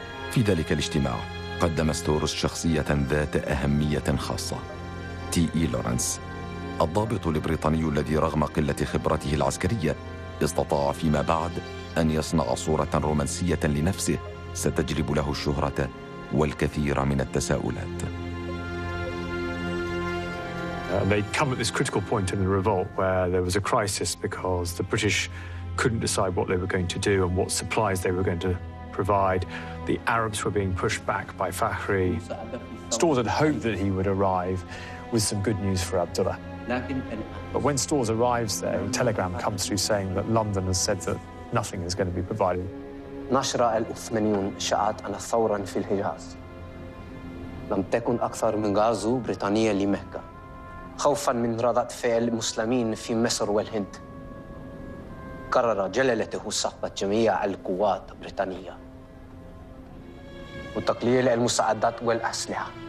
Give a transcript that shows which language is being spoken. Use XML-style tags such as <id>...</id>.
<ar>في ذلك الاجتماع قدم ستورز شخصية ذات أهمية خاصة، تي إي لورنس، الضابط البريطاني الذي رغم قلة خبرته العسكرية استطاع فيما بعد أن يصنع صورة رومانسية لنفسه ستجلب له الشهرة والكثير من التساؤلات.</ar> <en>They come at this critical point in the revolt where there was a crisis because the British couldn't decide what they were going to do and what supplies they were going to provide. The Arabs were being pushed back by Fakhri. Stores had hoped that he would arrive with some good news for Abdullah. But when Stores arrives there, a telegram comes through saying that London has said that nothing is going to be provided.</en> <ar>نشر العثمانيون إشاعات أن ثورا في الحجاز لم تكن أكثر من غزو بريطانية لمكة، خوفا من ردة فعل المسلمين في مصر والهند. قرر جلالته سحب جميع القوات البريطانية وتقليل المساعدات والأسلحة.</ar>